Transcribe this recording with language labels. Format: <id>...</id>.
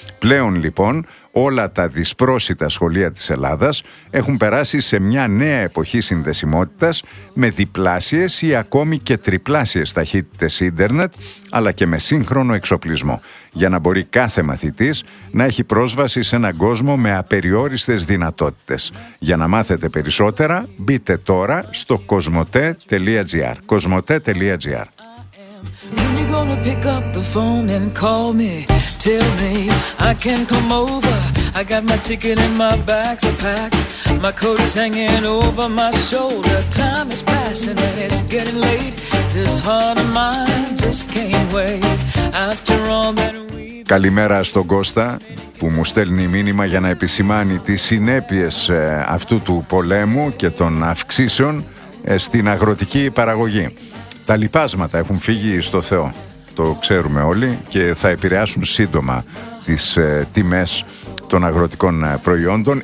<el>Πλέον, λοιπόν, όλα τα δυσπρόσιτα σχολεία της Ελλάδας έχουν περάσει σε μια νέα εποχή συνδεσιμότητας με διπλάσιες ή ακόμη και τριπλάσιες ταχύτητες ίντερνετ, αλλά και με σύγχρονο εξοπλισμό, για να μπορεί κάθε μαθητής να έχει πρόσβαση σε έναν κόσμο με απεριόριστες δυνατότητες. Για να μάθετε περισσότερα, μπείτε τώρα στο cosmote.gr. cosmote.gr.</el> <en>When you gonna pick up the phone and call me? Tell me I can come over. I got my ticket and my bags are packed. My coat is hanging over my shoulder. Time is passing and it's getting late. This heart of mine just can't wait. After all that we...</en> <el>Καλημέρα στον Κώστα που μου στέλνει μήνυμα για να επισημάνει τις συνέπειες αυτού του πολέμου και των αυξήσεων στην αγροτική παραγωγή. Τα λοιπάσματα έχουν φύγει στο Θεό, το ξέρουμε όλοι, και θα επηρεάσουν σύντομα τις τιμές των αγροτικών προϊόντων.</el>